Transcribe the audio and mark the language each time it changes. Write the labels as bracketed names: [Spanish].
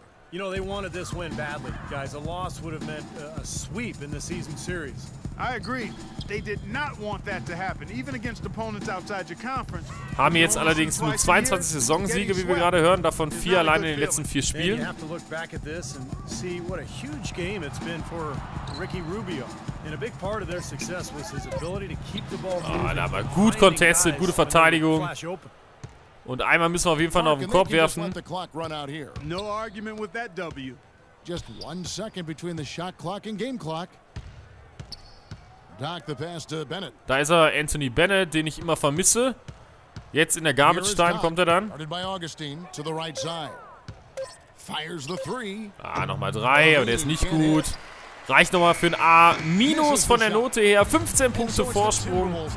[English] You know, they wanted this win badly, guys. A loss would have meant a sweep in the season series. I agree. They did not want that to happen, even against opponents outside your conference. [German] Haben jetzt allerdings nur 22 Saisonsiege, wie wir gerade hören, davon 4 alleine in den letzten 4 Spielen. [English] You have to look back at this and see what a huge game it's been for Ricky Rubio. And a big part of their success was his ability to keep the ball moving. [German] Ah, aber gut contested, gute Verteidigung. Und einmal müssen wir auf jeden Fall noch auf den Korb werfen. [English] No argument with that W. Just 1 second between the shot clock and game clock. Doc the pass to Bennett. [German] Da ist er, Anthony Bennett, den ich immer vermisse. Jetzt in der Garbage Time kommt er dann. Ah, nochmal 3, aber der ist nicht gut. Reicht nochmal für ein A. Minus von der Note her. 15 Punkte Vorsprung.